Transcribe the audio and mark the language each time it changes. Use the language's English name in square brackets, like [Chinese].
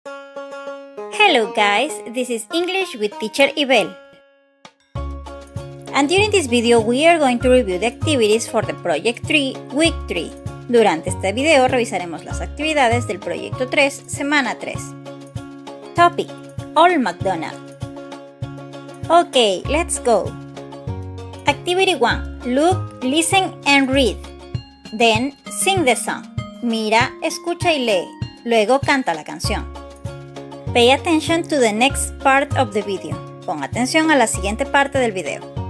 [English] Hello guys, this is English with Teacher Ibel. And during this video we are going to review the activities for the Project 3, Week 3. [Spanish] Durante este video revisaremos las actividades del Proyecto 3, Semana 3. [English] Topic: Old McDonald. Okay, let's go. Activity 1: Look, listen and read. Then sing the song. [Spanish] Mira, escucha y lee. Luego canta la canción. [English] Pay attention to the next part of the video. [Spanish] Pon atención a la siguiente parte del video.